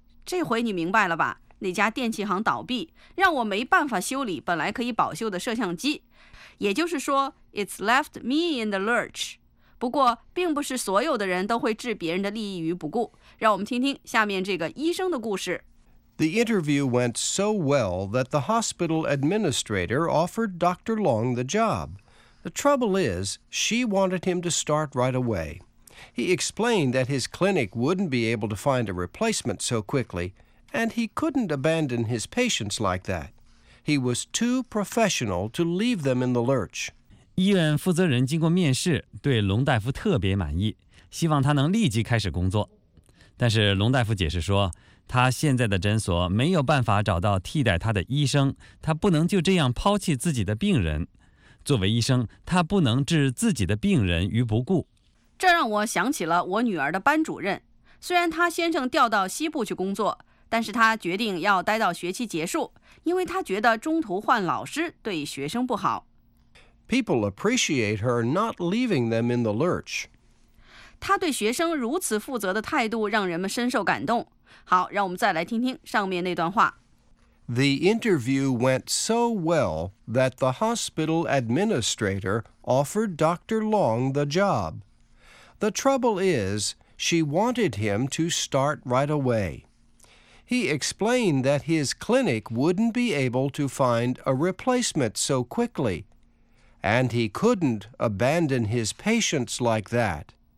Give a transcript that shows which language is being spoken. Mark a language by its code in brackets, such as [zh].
[zh] 这回你明白了吧？那家电器行倒闭，让我没办法修理本来可以保修的摄像机。也就是说 [en] ，It's left me in the lurch. [zh] 不过，并不是所有的人都会置别人的利益于不顾。让我们听听下面这个医生的故事。 [en] The interview went so well that the hospital administrator offered Dr. Long the job. The trouble is, she wanted him to start right away. He explained that his clinic wouldn't be able to find a replacement so quickly, and he couldn't abandon his patients like that. He was too professional to leave them in the lurch. [zh] 医院负责人经过面试，对龙大夫特别满意，希望他能立即开始工作。但是龙大夫解释说，他现在的诊所没有办法找到替代他的医生，他不能就这样抛弃自己的病人。作为医生，他不能置自己的病人于不顾。这让我想起了我女儿的班主任，虽然他先生调到西部去工作，但是他决定要待到学期结束，因为他觉得中途换老师对学生不好。 [en] People appreciate her not leaving them in the lurch. [zh] 她对学生如此负责的态度让人们深受感动。好，让我们再来听听上面那段话。 [en] The interview went so well that the hospital administrator offered Dr. Long the job. The trouble is, she wanted him to start right away. He explained that his clinic wouldn't be able to find a replacement so quickly, and he couldn't abandon his patients like that.